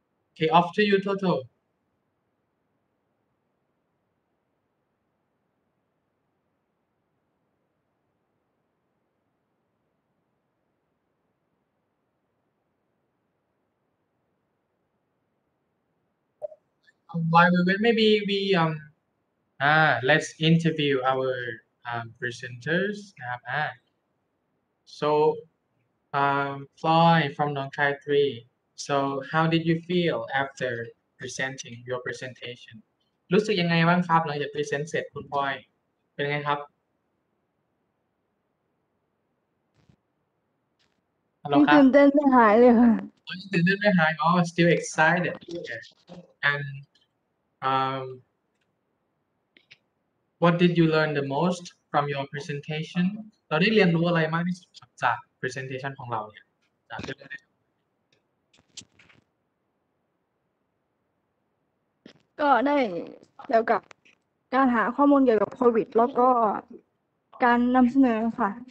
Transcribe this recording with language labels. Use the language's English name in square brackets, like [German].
[English] okay off to you Toto while we wait maybe we let's interview our presenters so Floyd from Nong Khai 3. So, how did you feel after presenting your presentation? [Thai] รู้สึกยังไงบ้างครับหลังจาก present เสร็จคุณพลอยเป็นไงครับ [English] Hello [Thai] ครับ ตื่นเต้นไม่หายเลยค่ะ [English] Oh, still excited. And what did you learn the most from your presentation? [Thai] เราได้เรียนรู้อะไรมากที่สุดจาก presentation ของเราเนี่ยจากเรื่องแรก ก็ได้เกี่ยวกับการหาข้อมูลเกี่ยวกับโควิดแล้วก็การนำเสนอค่ะ